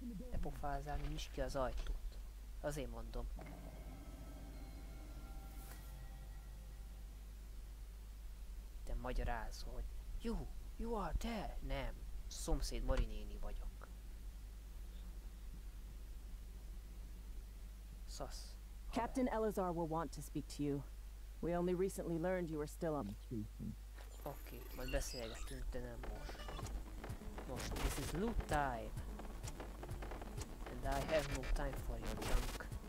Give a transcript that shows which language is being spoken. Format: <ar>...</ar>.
<hu>Ne pofázzál, mi nyisd ki az ajtót. Azért mondom. Te magyarázol, hogy jó!</hu> <en>You are there?</en> <hu>Nem. Szomszéd Mari néni vagyok.</hu> <en>Sus. Captain Elazar will want to speak to you. We only recently learned you were still on.</en> <hu>Okay, majd beszélgetünk, de nem most.</hu> <en>Most, this is loot time. And I have no time for your junk.</en>